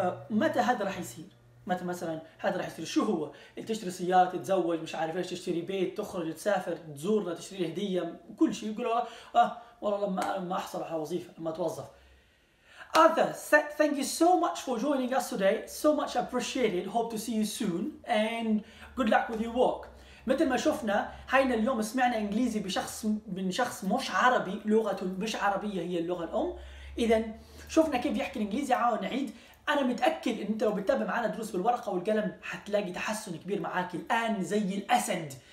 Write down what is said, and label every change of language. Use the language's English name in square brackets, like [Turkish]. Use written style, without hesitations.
[Arabic] متى هذا راح يصير؟ متى مثلا هذا راح يصير؟ شو هو؟ تشتري سيارة، تتزوج، مش عارف ايش، تشتري بيت، تخرج، تسافر، تزورنا، تشتري هدية، كل شيء. يقول والله لما احصل على وظيفة، لما اتوظف. [English] Arthur, thank you so much for joining us today. So much appreciated. Hope to see you soon and good luck with your work. [Arabic] مثل ما شفنا هينا اليوم سمعنا انجليزي بشخص من شخص مش عربي، لغة مش عربية هي اللغة الأم. إذا شفنا كيف يحكي الإنجليزي. عاوز نعيد. أنا متأكد إن أنت لو بتتابع معنا دروس بالورقة والقلم حتلاقي تحسن كبير معاك الآن زي الأسد.